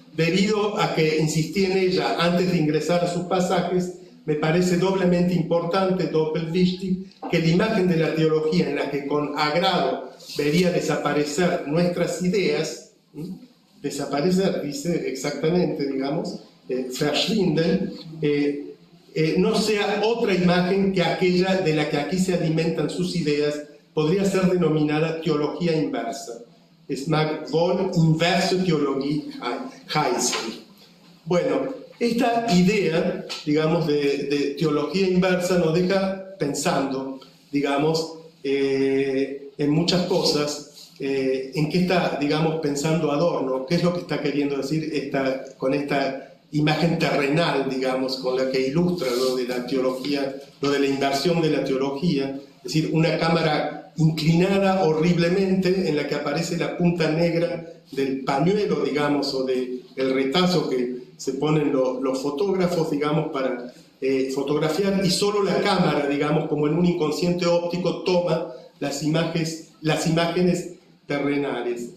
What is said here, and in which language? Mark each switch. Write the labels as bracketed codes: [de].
[es] Debido a que insistí en ella antes de ingresar a sus pasajes, me parece doblemente importante, doppelwichtig, que la imagen de la teología en la que con agrado vería desaparecer nuestras ideas, desaparecer, dice exactamente, digamos, verschwinden, no sea otra imagen que aquella de la que aquí se alimentan sus ideas, podría ser denominada teología inversa. [de] Es mag wohl inverse Theologie heißen. [es] Bueno, esta idea, digamos, de teología inversa nos deja pensando, digamos, en muchas cosas, en qué está, digamos, pensando Adorno, qué es lo que está queriendo decir con esta imagen terrenal, digamos, con la que ilustra lo de la teología, lo de la inversión de la teología, es decir, una cámara inclinada horriblemente en la que aparece la punta negra del pañuelo, digamos, o del retazo que se ponen los fotógrafos, digamos, para fotografiar, y solo la cámara, digamos, como en un inconsciente óptico, toma las imágenes terrenales.